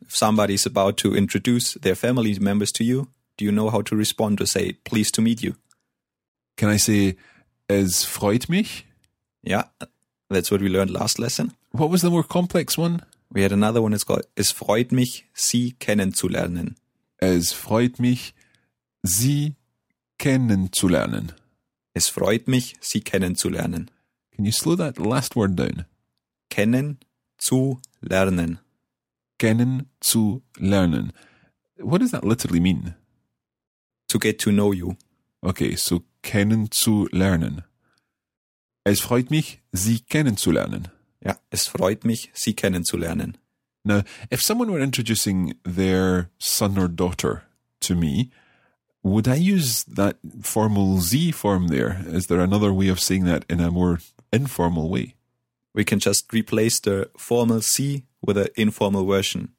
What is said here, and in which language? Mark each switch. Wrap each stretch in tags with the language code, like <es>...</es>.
<en>If somebody's about to introduce their family members to you, do you know how to respond or say, pleased to meet you? Can I say,</en> <de>es freut mich?</de> <en>Yeah, that's what we learned last lesson. What was the more complex one? We had another one, it's called,</en> <de>es freut mich, sie kennenzulernen. Es freut mich, sie kennenzulernen. Es freut mich, sie kennenzulernen.</de> <en>Can you slow that last word down?</en> <de>Kennen zu lernen. Kennen zu lernen.</de> <en>What does that literally mean? To get to know you. Okay, so</en> <de>kennen zu lernen. Es freut mich, sie kennenzulernen. Ja, es freut mich, sie kennenzulernen.</de> <en>Now, if someone were introducing their son or daughter to me, would I use that formal Z form there? Is there another way of saying that in a more informal way? We can just replace the formal C with an informal version.</en>